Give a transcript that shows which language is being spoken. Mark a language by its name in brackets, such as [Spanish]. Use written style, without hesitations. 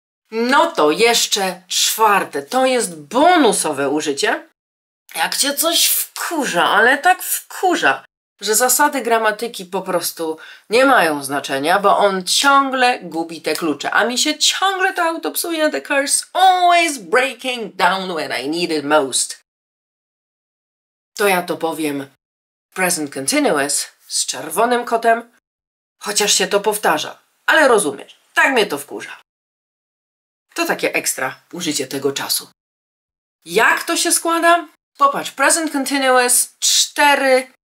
[Polish] No to jeszcze czwarte, to jest bonusowe użycie. Jak cię coś wkurza, ale tak wkurza, że zasady gramatyki po prostu nie mają znaczenia, bo on ciągle gubi te klucze. A mi się ciągle to auto psuje. [English] The car's always breaking down when I need it most. [Polish] To ja to powiem present continuous z czerwonym kotem, chociaż się to powtarza. Ale rozumiesz, tak mnie to wkurza. To takie ekstra użycie tego czasu. Jak to się składa? Popatrz, present continuous, cztery...